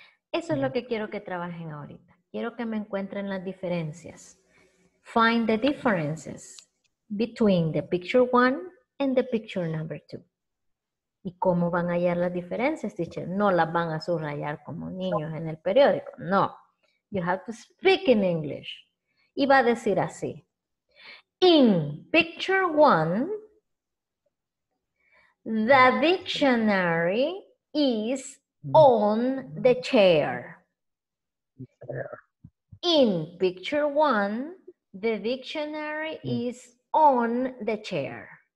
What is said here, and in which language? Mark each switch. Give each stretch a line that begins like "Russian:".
Spanish: Eso es lo que quiero que trabajen ahorita. Quiero que me encuentren las diferencias.
English: Find the differences between the picture one and the picture number two.
Spanish: ¿Y cómo van a hallar las diferencias, teacher? No las van a subrayar como niños en el periódico.
English: No, you have to speak in English. Y va a decir así. In picture one, the dictionary is on the chair. In picture one, the dictionary is on the chair.